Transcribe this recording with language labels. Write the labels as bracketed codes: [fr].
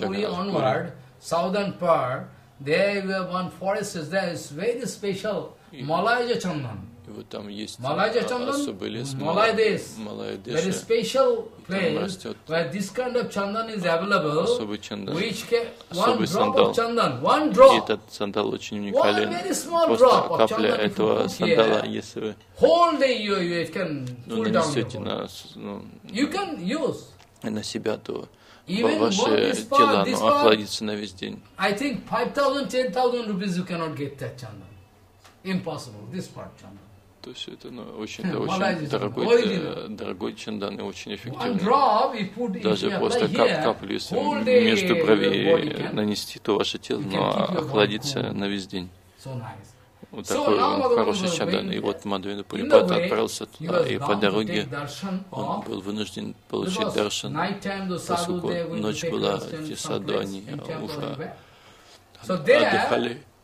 [en] Puri onward, southern part, there you have one forest. There is very special Malaya Chandan. Malaya Chandan, Malaya Desh, very special place where this kind of Chandan is available. Which one drop of Chandan, one drop. [ru] И этот сандал очень уникален. [en] One very small drop of Chandan [ru] этого сандала, если вы. [en] Whole day you can pull down. [ru] Нанесете на. [en] You can use. [ru] На себя то. Ваше тело, оно охладится на весь день. [en] I think 5,000-10,000 rupees you cannot get that Chandan. Impossible. This part Chandan. [ru] То есть это очень дорогой чандан и очень эффективный. Даже просто каплю, если между бровей нанести, то ваше тело, но охладится на весь день. Вот такой хороший чандан. И вот Мадхавендра Парипад отправился туда, и по дороге он был вынужден получить даршан, поскольку ночь была, эти саду, они уже отдыхали.